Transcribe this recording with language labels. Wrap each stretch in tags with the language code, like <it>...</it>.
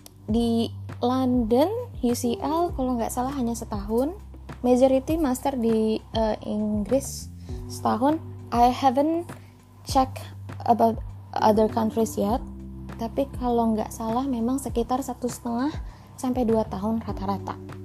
<id>Di London, UCL, kalau nggak salah hanya setahun. Majority master di Inggris setahun.</id> <en>I haven't check about other countries yet.</en> <id>Tapi kalau nggak salah memang sekitar 1,5-2 tahun rata-rata.</id>